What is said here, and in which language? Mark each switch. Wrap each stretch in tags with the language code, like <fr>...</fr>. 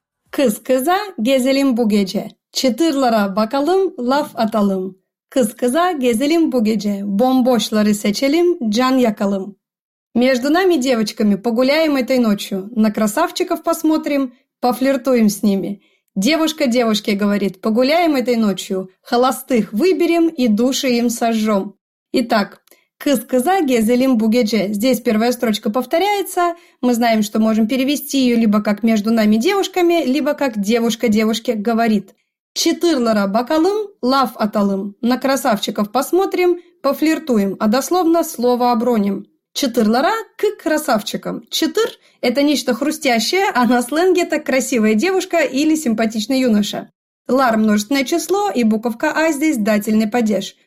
<tr>Kız kıza gezelim bu gece. Çıtırlara bakalım, laf atalım. Kız kıza gezelim bu gece. Bomboşları seçelim, can yakalım.</tr> <ru>Между нами, девочками, погуляем этой ночью. На красавчиков посмотрим, пофлиртуем с ними. Девушка девушке говорит, погуляем этой ночью. Холостых выберем и души им сожжем. Итак,</ru> <tr>«Kız kıza gezelim bu gece».</tr> <ru>Здесь первая строчка повторяется. Мы знаем, что можем перевести ее либо как «между нами девушками», либо как «девушка девушке говорит».</ru> <tr>«Çıtırlara bakalım, laf atalım».</tr> <ru>«На красавчиков посмотрим, пофлиртуем», а дословно слово оброним. «Çıtırlara» – «к красавчикам». «Çıtır» – это нечто хрустящее, а на сленге – это «красивая девушка» или «симпатичный юноша». «Лар» – множественное число, и буковка «а» здесь – дательный падеж.</ru>